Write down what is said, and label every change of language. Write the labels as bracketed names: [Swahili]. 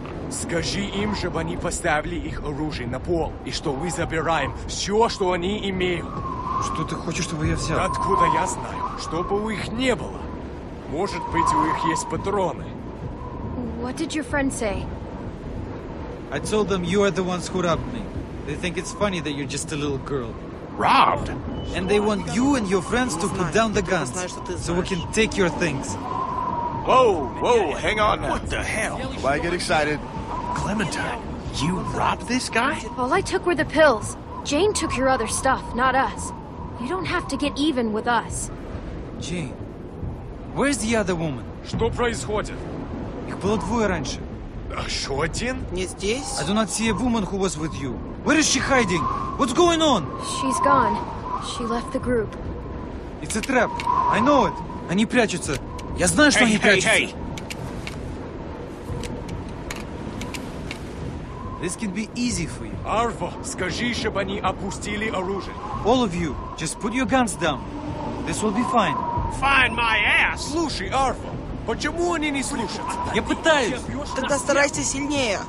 [Russian] Скажи им, чтобы они поставили их оружие на пол, и что мы забираем все, что они имеют. Что ты хочешь, чтобы я взял? Откуда я знаю? Чтобы у их не было. Может быть, у них есть патроны. [English] What did your friend say? I told them you are the ones who robbed me. They think it's funny that you're just a little girl. Robbed? And they want you and your friends to put down the guns, so we can take your things. Whoa, hang on now. What the hell? Why get excited? Clementine, you robbed this guy? All I took were the pills. Jane took your other stuff, not us. You don't have to get even with us. Jane, where's the other woman? [Russian] Что происходит? Их было двое раньше. Еще один? Не здесь. [English] I do not see a woman who was with you. Where is she hiding? What's going on? She's gone. She left the group. It's a trap. I know it. [Russian] Они прячутся. Я знаю, что они прячутся. [English] Hey. This can be easy for you. [Russian] Arvo, скажи, чтобы они опустили оружие. [English] All of you, just put your guns down. This will be fine. Find my ass! [Russian] Слушай, Арфа, почему они не слушают? Я пытаюсь! Тогда старайся сильнее!